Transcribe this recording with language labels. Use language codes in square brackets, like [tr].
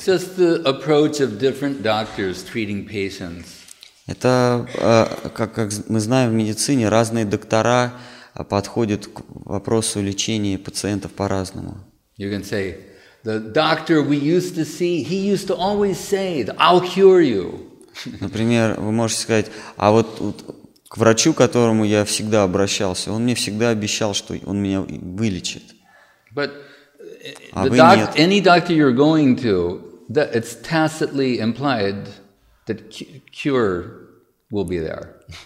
[en] Just the approach of different doctors treating patients. [ru] Это, как мы знаем в медицине, разные доктора подходит к вопросу лечения пациентов по-разному. [en] You can say, the doctor we used to see, he used to always say, I'll cure you. [ru] Например, вы можете сказать, а вот, вот к врачу, к которому я всегда обращался, он мне всегда обещал, что он меня вылечит. [en] But the any doctor you're going to, that it's tacitly implied that cure will be there.